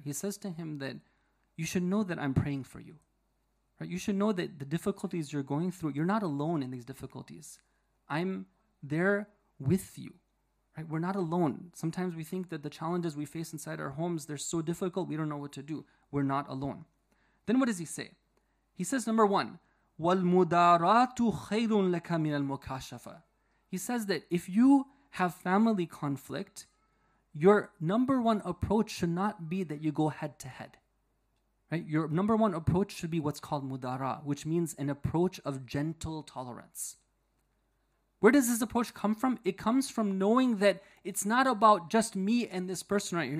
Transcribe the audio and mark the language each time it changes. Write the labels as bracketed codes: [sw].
[en] He says to him that you should know that I'm praying for you. Right? You should know that the difficulties you're going through, you're not alone in these difficulties. I'm there with you. Right? We're not alone. Sometimes we think that the challenges we face inside our homes, they're so difficult, we don't know what to do. We're not alone. Then what does he say? He says, number one, [ar] وَالْمُدَارَاتُ خَيْرٌ لَكَ مِنَ الْمُكَاشَفَةِ. [en] He says that if you have family conflict, your number one approach should not be that you go head to head. Right? Your number one approach should be what's called mudara, which means an approach of gentle tolerance. Where does this approach come from? It comes from knowing that it's not about just me and this person right here.